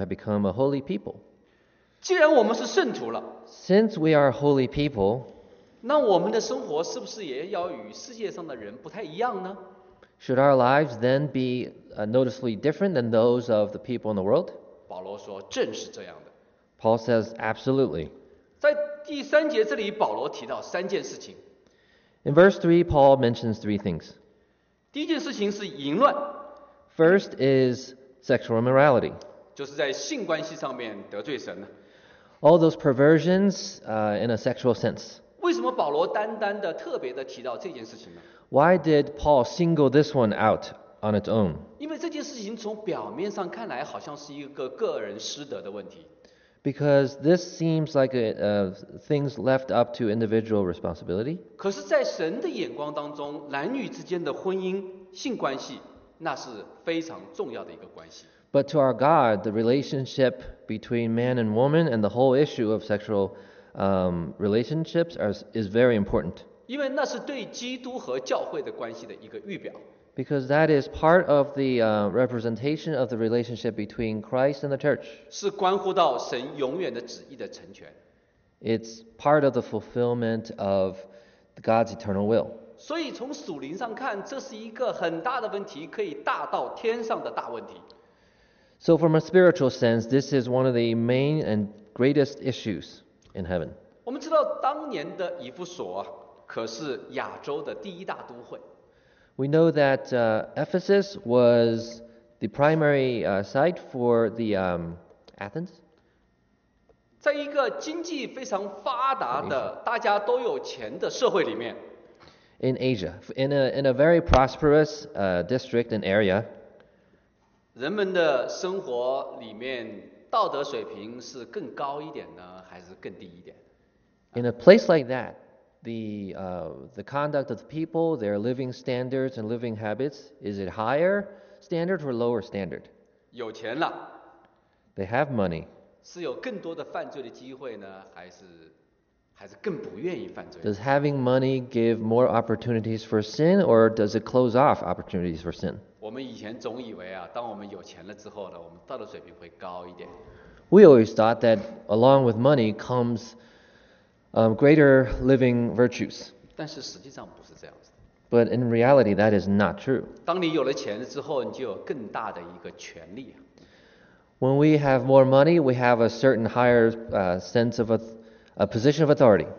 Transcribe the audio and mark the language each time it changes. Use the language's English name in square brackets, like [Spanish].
[English] have become a holy people. [Chinese] 既然我们是圣徒了, [English] since we are holy people, [Chinese] 那我们的生活是不是也要与世界上的人不太一样呢? [English] Should our lives then be noticeably different than those of the people in the world? [Chinese] 保罗说正是这样的。 [English] Paul says absolutely. [Chinese] 在第三节这里保罗提到三件事情。 [English] In verse 3, Paul mentions three things. [Chinese] 第一件事情是淫乱。 [English] First is sexual immorality. [Chinese] 就是在性关系上面得罪神的。 [English] All those perversions in a sexual sense. [Chinese] 为什么保罗单单的特别的提到这件事情呢？ [English] Why did Paul single this one out on its own? [Chinese] 因为这件事情从表面上看来好像是一个个人失德的问题。 [English] Because this seems like things left up to individual responsibility. [Chinese] 可是在神的眼光当中，男女之间的婚姻性关系那是非常重要的一个关系。 [English] But to our God, the relationship between man and woman and the whole issue of sexual relationships is very important. [Chinese] 因为那是对基督和教会的关系的一个预表。 [English] Because that is part of the representation of the relationship between Christ and the church. [Chinese] 是关乎到神永远的旨意的成全。 [English] It's part of the fulfillment of God's eternal will. [Chinese] 所以从属灵上看，这是一个很大的问题，可以大到天上的大问题。 [English] So from a spiritual sense, this is one of the main and greatest issues in heaven. [Chinese] 我们知道当年的以弗所可是亚洲的第一大都会。 [English] We know that Ephesus was the primary site for the Athens. [Chinese] 在一个经济非常发达的大家都有钱的社会里面 [English] In Asia, in a very prosperous district and area, [Chinese] 人们的生活里面道德水平是更高一点呢还是更低一点 [English] In a place like that,The conduct of the people, their living standards and living habits, is it higher standard or lower standard? [Chinese] 有钱了。 [English] They have money. [Chinese] 是有更多的犯罪的机会呢，还是更不愿意犯罪？ [English] Does having money give more opportunities for sin, or does it close off opportunities for sin? [Chinese] 我们以前总以为啊，当我们有钱了之后呢，我们道德水平会高一点。 [English] We always thought that along with money comes greater living virtues. [Chinese] 但是实际上不是这样子。 [English] But in reality, that is not true. [Chinese] 当你有了钱之后，你就有更大的一个权利。 [English] When we have more money, we have a certain higher sense of a position of authority.